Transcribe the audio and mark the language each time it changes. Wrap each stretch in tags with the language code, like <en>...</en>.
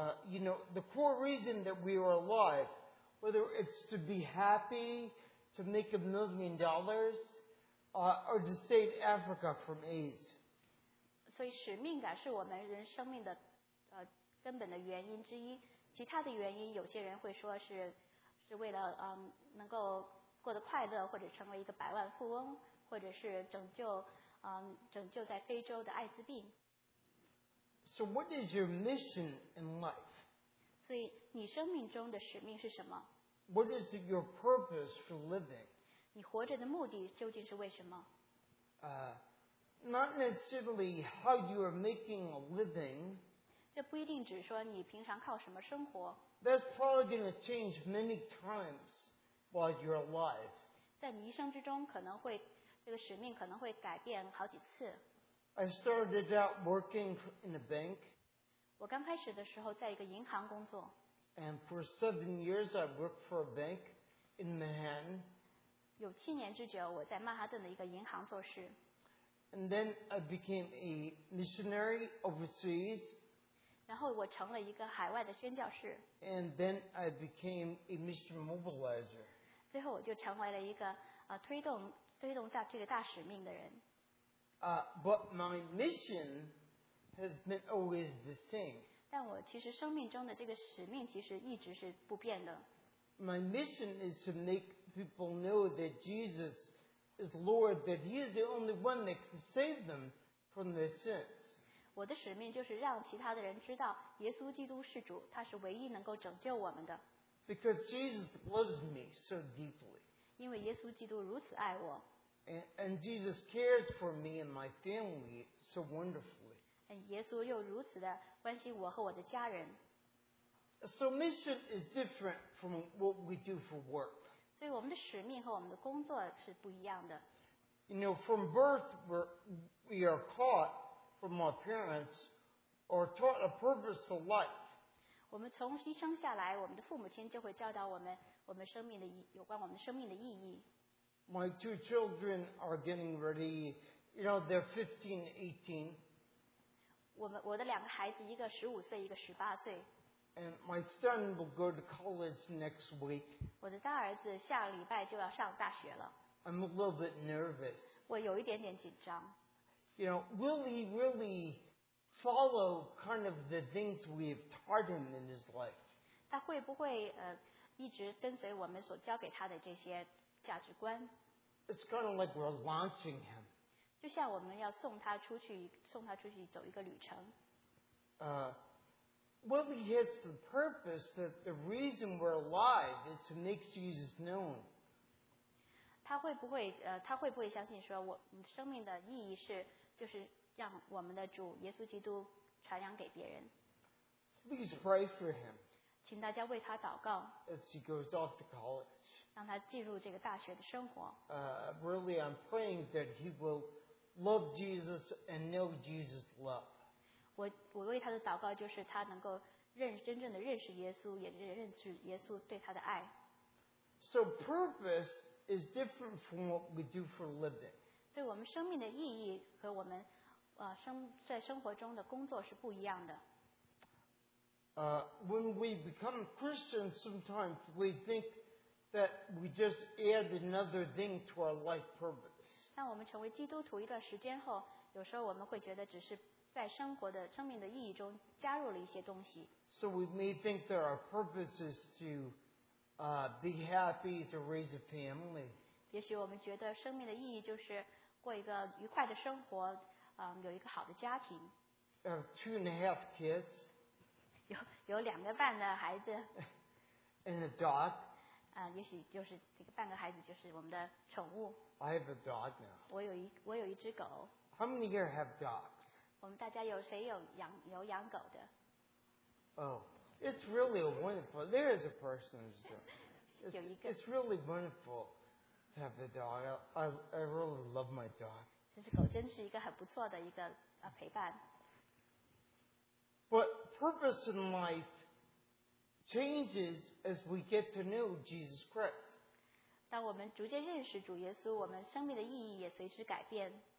<en>You know, the core reason that we are alive, whether it's to be happy, to make $1 million, or to save Africa from AIDS.</en> <zh>所以使命感是我们人生命的根本的原因之一。其他的原因，有些人会说是为了能够过得快乐，或者成为一个百万富翁，或者是拯救在非洲的艾滋病。</zh> <en>So what is your mission in life?</en> <zh>所以你生命中的使命是什么？</zh> <en>What is your purpose for living?</en> <zh>你活着的目的究竟是为什么？</zh> <en>Not necessarily how you are making a living.</en> <zh>这不一定只说你平常靠什么生活。</zh> <en>That's probably going to change many times while you're alive.</en> <zh>在你一生之中，可能会这个使命可能会改变好几次。</zh> <en>I started out working in a bank.</en> <zh>我刚开始的时候在一个银行工作。</zh> <en>And for 7 years, I worked for a bank in Manhattan.</en> <zh>有七年之久，我在曼哈顿的一个银行做事。</zh> <en>And then I became a missionary overseas.</en> <zh>然后我成了一个海外的宣教士。</zh> <en>And then I became a mission mobilizer.</en> <zh>最后我就成为了一个推动大这个大使命的人。</zh> <en>But my mission has been always the same.</en> <zh>但我其实生命中的这个使命其实一直是不变的。</zh> <en>My mission is to make people know that Jesus is Lord, that He is the only one that can save them from their sins.</en> <zh>我的使命就是让其他的人知道耶稣基督是主，他是唯一能够拯救我们的。</zh> <en>Because Jesus loves me so deeply.</en> <zh>因为耶稣基督如此爱我。</zh> <en>And Jesus cares for me and my family so wonderfully.</en> <zh>耶稣又如此的关心我和我的家人。</zh> <en>So mission is different from what we do for work.</en> <zh>所以我们的使命和我们的工作是不一样的。</zh> <en>You know, from birth, we are taught from our parents or taught a purpose of life.</en> <zh>我们从一生下来，我们的父母亲就会教导我们生命的有关我们生命的意义。</zh> <en>My two children are getting ready. You know, they're 15, 18.</en> <zh>我的两个孩子，一个15岁，一个18岁。</zh> <en>And my son will go to college next week.</en> <zh>我的大儿子下礼拜就要上大学了。</zh> <en>I'm a little bit nervous.</en> <zh>我有一点点紧张。</zh> <en>You know, will he really follow kind of the things we've taught him in his life?</en> <zh>他会不会一直跟随我们所教给他的这些价值观？</zh> <en>It's kind of like we're launching him.</en> <zh>就像我们要送他出去走一个旅程。</zh> <en>Well, he hits the purpose that the reason we're alive is to make Jesus known.</en> <zh>他会不会相信说我生命的意义是就是让我们的主耶稣基督传扬给别人？</zh> <en>Please pray for him.</en> <zh>请大家为他祷告。</zh> <en>As he goes off to college.</en> <zh>让他进入这个大学的生活。</zh> <en>Really, I'm praying that he will love Jesus and know Jesus' love.</en> <zh>我为他的祷告就是他能够真正的认识耶稣，也认识耶稣对他的爱。</zh> <en>So purpose is different from what we do for a living.</en> <zh>所以我们生命的意义和我们在生活中的工作是不一样的。</zh> <en>When we become Christians, sometimes we think that we just add another thing to our life purpose.</en> <zh>当我们成为基督徒一段时间后，有时候我们会觉得只是在生活的生命的意义中加入了一些东西。</zh> <en>So we may think that our purpose is to be happy, to raise a family.</en> <zh>也许我们觉得生命的意义就是过一个愉快的生活，有一个好的家庭。</zh> <en>Have two and a half kids.</en> <zh>有两个半的孩子。</zh> <en>And a dog.</en> <zh>也许就是这个半个孩子就是我们的宠物。</zh> <en>I have a dog now.</en> <zh>我有一只狗。</zh> <en>How many here have dogs?</en> <zh>我们大家有谁有养狗的</zh> <en>？Oh, it's really a wonderful. There is a person. It's really wonderful to have the dog. I really love my dog.</en> <zh>这只狗真是一个很不错的一个陪伴。</zh> <en>But purpose in life changes as we get to know Jesus Christ.</en> <zh>当我们逐渐认识主耶稣，我们生命的意义也随之改变。</zh>